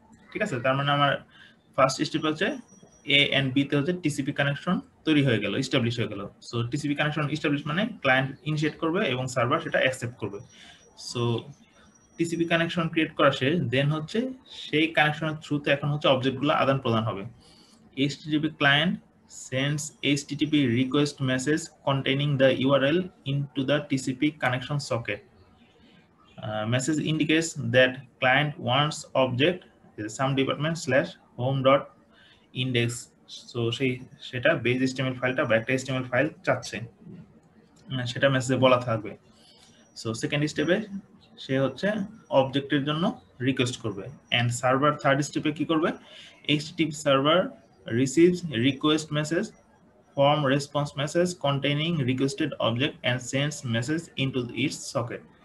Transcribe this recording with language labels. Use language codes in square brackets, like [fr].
[bn] ঠিক আছে তার মানে আমার ফার্স্ট স্টেপ হচ্ছে এ অ্যান্ড বিতে হচ্ছে টিসিপি কানেকশন তৈরি হয়ে গেল ইস্টাবলিশ হয়ে গেল সো টিসিপি কানেকশন ইস্টাবলিশ মানে ক্লায়েন্ট ইনিশিয়েট করবে এবং সার্ভার সেটা অ্যাকসেপ্ট করবে সো টিসিপি কানেকশন ক্রিয়েট করা শেষ দেন হচ্ছে সেই কানেকশনের থ্রুতে এখন হচ্ছে অবজেক্টগুলো আদান প্রদান হবে [en] HTTP client sends HTTP request message containing the URL into the TCP connection socket. Message indicates that client wants object some department slash home dot index. [bn] So সেটা base HTML ফাইলটা বা একটা HTML ফাইল চাচ্ছে সেটা মেসেজে বলা থাকবে so second স্টেপে সে হচ্ছে অবজেক্টের জন্য রিকোয়েস্ট করবে অ্যান্ড সার্ভার থার্ড স্টেপে কী করবে HTTP server [en] receives request message form response message containing requested object and sends message into its socket